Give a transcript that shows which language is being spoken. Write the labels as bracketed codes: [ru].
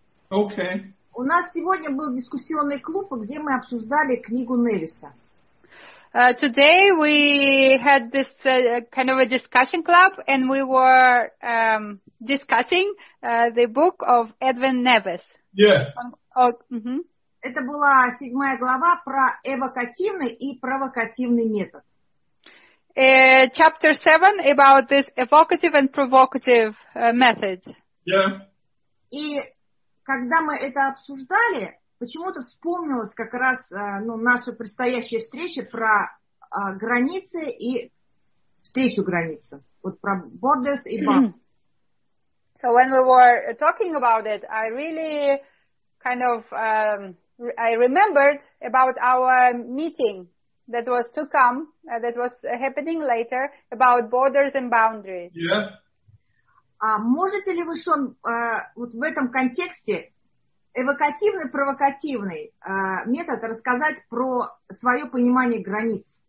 [en] Okay. [ru] У нас сегодня был дискуссионный клуб, где мы обсуждали книгу Невиса. [en] Today we had this kind of a discussion club, and we were discussing the book of Edwin Nevis. Yeah. Oh, mm-hmm. [ru] Это была 7 глава про эвокативный и провокативный метод. [en] Chapter 7 about this evocative and provocative method. Yeah. [ru] И когда мы это обсуждали, почему-то вспомнилась как раз ну, наша предстоящая встреча про границы и встречу границы. Вот про borders и boundaries. [en] So when we were talking about it, I really kind of I remembered about our meeting that was to come, that was happening later, about borders and boundaries. Yeah. [ru] Можете ли вы, Шон, вот в этом контексте эвокативный-провокативный метод рассказать про свое понимание границ?